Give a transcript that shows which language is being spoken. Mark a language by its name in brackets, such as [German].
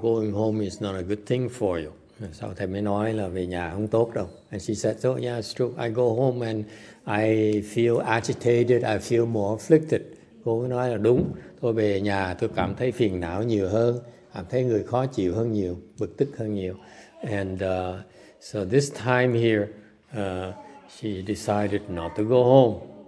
[English] Going home is not a good thing for you. [Vietnamese] Sau thầy mới nói là về nhà không tốt đâu. [English] And she said, so yeah, it's true. I go home and I feel agitated. I feel more afflicted. [Vietnamese] Cô mới nói là đúng. Tôi về nhà tôi cảm thấy phiền não nhiều hơn. Cảm thấy người khó chịu hơn nhiều. Bực tức hơn nhiều. [English] And so this time here, she decided not to go home.